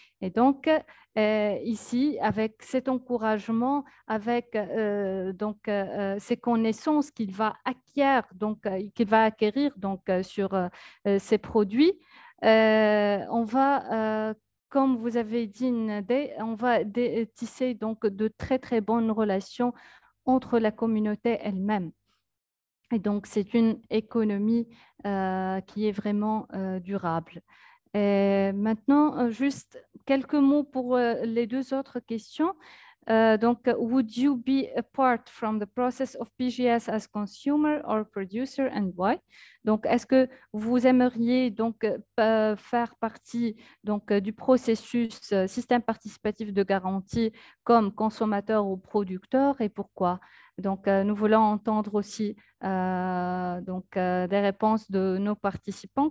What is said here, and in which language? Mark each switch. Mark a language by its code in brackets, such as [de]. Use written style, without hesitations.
[fr] Et donc, ici, avec cet encouragement, avec ces connaissances qu'il va acquérir, ces produits, on va, comme vous avez dit, Nadé, on va tisser donc, de très, très bonnes relations entre la communauté elle-même. Et donc, c'est une économie qui est vraiment durable. Et maintenant, juste quelques mots pour les deux autres questions. Donc, [en] would you be apart from the process of PGS as consumer or producer and why? [fr] Donc, est-ce que vous aimeriez donc faire partie donc du processus système participatif de garantie comme consommateur ou producteur et pourquoi? Donc, nous voulons entendre aussi des réponses de nos participants.